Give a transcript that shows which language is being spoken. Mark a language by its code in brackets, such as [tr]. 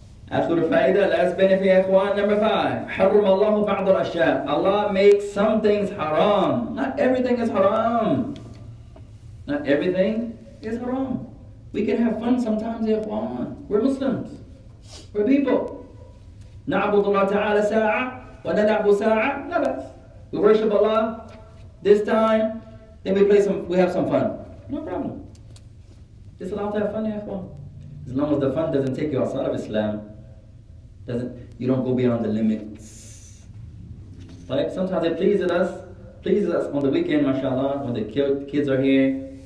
[ar] أخذ الفائدة, [en] last benefit, إخوان, number 5. [ar] حرم الله بعض الأشياء. [en] Allah makes some things haram. Not everything is haram. Not everything is haram. We can have fun sometimes, إخوان. We're Muslims. We're people. [ar] نعبد الله تعالى ساعة ونلعب ساعة. لا بس. [en] We worship Allah. This time, then we have some fun. No problem. It's allowed to have fun, ya ikhwan. As long as the fun doesn't take you outside of Islam, you don't go beyond the limits. But sometimes it pleases us on the weekend, mashallah, when the kids are here.